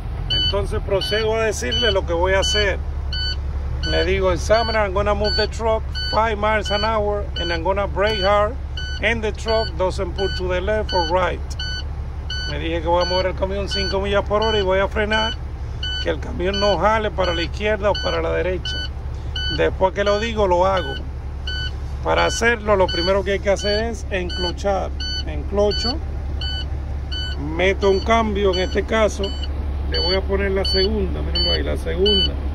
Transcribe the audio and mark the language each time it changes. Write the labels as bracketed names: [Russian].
[Spanish] Entonces procedo a decirle lo que voy a hacer. Le digo, [English] examiner, I'm gonna move the truck 5 miles an hour and I'm gonna brake hard and the truck doesn't pull to the left or right. [Spanish] Me dije que voy a mover el camión 5 millas por hora y voy a frenar que el camión no jale para la izquierda o para la derecha. Después que lo digo, lo hago. Para hacerlo, lo primero que hay que hacer es enclochar. Enclocho, meto un cambio, en este caso le voy a poner la segunda, mírenlo ahí, la segunda.